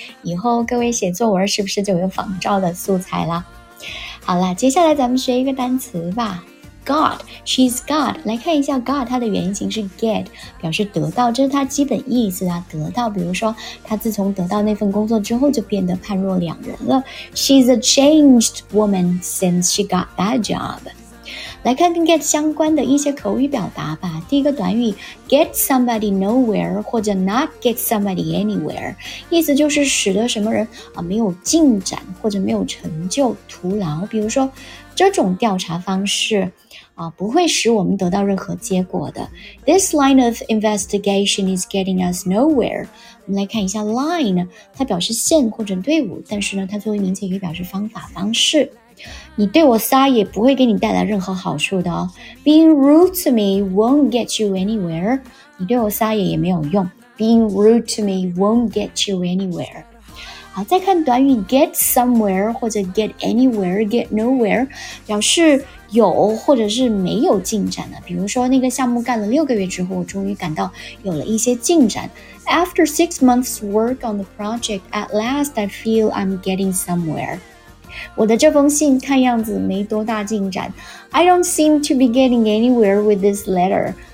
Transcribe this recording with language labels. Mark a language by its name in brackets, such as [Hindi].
[Chinese] 以后各位写作文是不是就有仿照的素材了？好了，接下来咱们学一个单词吧。 [English] God, she's God. [Chinese] 来看一下 God, 它的原型是 get, 表示得到，这是它基本意思啊。得到，比如说她自从得到那份工作之后就变得判若两人了。 [English] She's a changed woman since she got that job. [Chinese] 来看跟 get 相关的一些口语表达吧。第一个短语 [English] get somebody nowhere [Chinese] 或者 [English] not get somebody anywhere, [Chinese] 意思就是使得什么人啊没有进展或者没有成就，徒劳。比如说这种调查方式啊，不会使我们得到任何结果的。 [English] This line of investigation is getting us nowhere. [Chinese] 我们来看一下 line, 它表示线或者队伍，但是呢，它作为名词也可以表示方法、方式。你对我撒野不会给你带来任何好处的哦。 [English] Being rude to me won't get you anywhere. [Chinese] 你对我撒野也没有用。 [English] Being rude to me won't get you anywhere. [Chinese] 好，再看短语 [English] get somewhere [Chinese] 或者 [English] get anywhere, get nowhere, [Chinese] 表示有或者是没有进展的。比如说那个项目干了六个月之后，我终于感到有了一些进展。 [English] After 6 months work on the project, at last I feel I'm getting somewhere. [Chinese] 我的这封信看样子没多大进展。 [English] I don't seem to be getting anywhere with this letter.